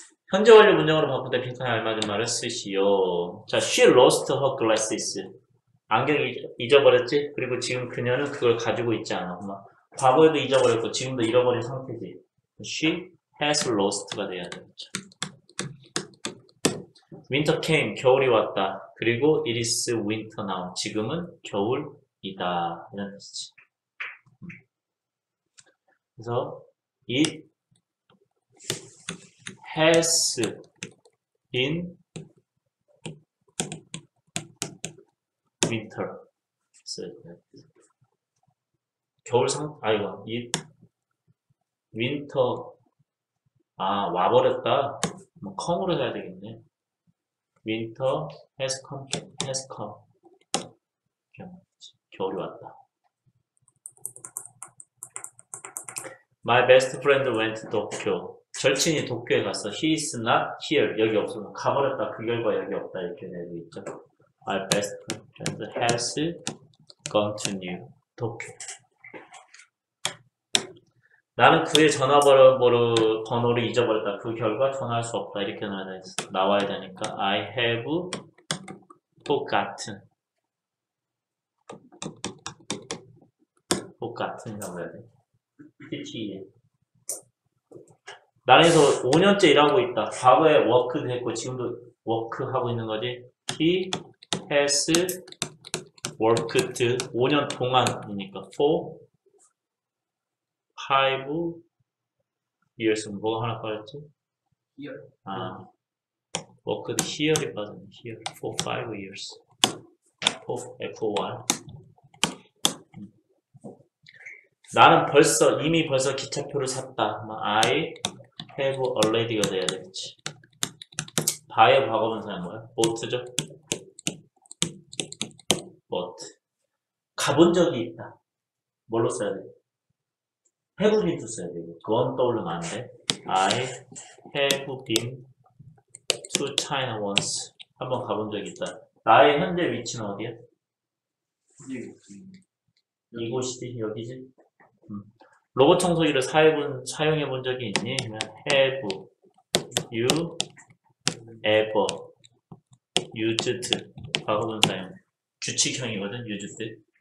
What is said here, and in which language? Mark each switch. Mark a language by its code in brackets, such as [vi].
[ko] 현재 완료 문장으로 바꿀 때 빈칸에 알맞은 말을 쓰시오. [en] 자, she lost her glasses. [ko] 안경 잊어버렸지? [en] 그리고 지금 그녀는 그걸 가지고 있지 않아. 엄마. 과거에도 잊어버렸고 지금도 잃어버린 상태지. She has lost가 [ko] 돼야 되겠죠. [en] Winter came. [ko] 겨울이 왔다. [en] 그리고 it is winter now. [ko] 지금은 겨울이다. 이런 뜻이지. [en] 그래서 it has been winter. [ko] 겨울 상, 아이고, it, winter, 아, 와버렸다. 뭐, come으로 해야 되겠네. [en] winter has come, has come. [ko] 겨울이 왔다. [en] my best friend went to Tokyo. [ko] 절친이 도쿄에 갔어. [en] he is not here. [ko] 여기 없어. 가버렸다. 그 결과 여기 없다. 이렇게 내고 있죠. [en] My best friend has gone to New Tokyo. [ko] 나는 그의 전화번호를 잊어버렸다. 그 결과 전화할 수 없다. 이렇게 나와야 되니까 [en] I have forgotten. [ko] forgotten 이라고 해야 돼. 그치. 나는 그래서 5년째 일하고 있다. 과거에 워크 했고 지금도 워크 하고 있는 거지. [en] He has worked [ko] 5년 동안이니까 [en] for 5 years. [ko] 뭐가 하나 빠졌지? [en] here. [ko] 아, worked here이 빠졌네. [en] here for 5 years. for 1. [ko] 나는 벌써 이미 벌써 기차표를 샀다. [en] I have already [ko] 가 돼야 되겠지. buy의 과거분사는 뭐야? [en] bought죠. [ko] but 가본 적이 있다. 뭘로 써야 돼? [en] have been to [ko] 써야 돼. 그건 떠올리면 안 돼. [en] I have been to China once. [ko] 한번 가본 적이 있다. 나의 현재 위치는 어디야? 이곳이지. 여기지. 로봇 청소기를 사용해 본 적이 있니? 그러면 [en] have you ever used [ko] 과거분사형 규칙형이거든, 유즈드.